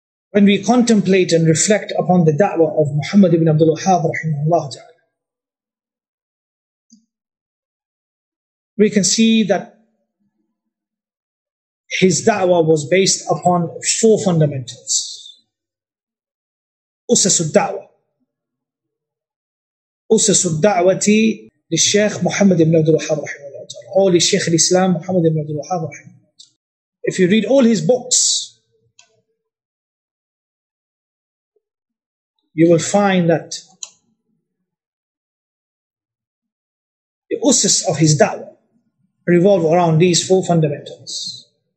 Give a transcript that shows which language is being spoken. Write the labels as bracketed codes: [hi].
[en] When we contemplate and reflect upon the da'wah of Muhammad ibn Abdul Wahhab [ar] رحمه الله تعالى, [en] we can see that his da'wah was based upon four fundamentals. [ar] أسس الدعوة أسس الدعوة للشيخ محمد بن عبد الوهاب رحمه الله تعالى أو للشيخ الإسلام محمد بن عبد الوهاب رحمه الله تعالى. [en] If you read all his books, you will find that the أسس of his دعوة revolve around these four fundamentals.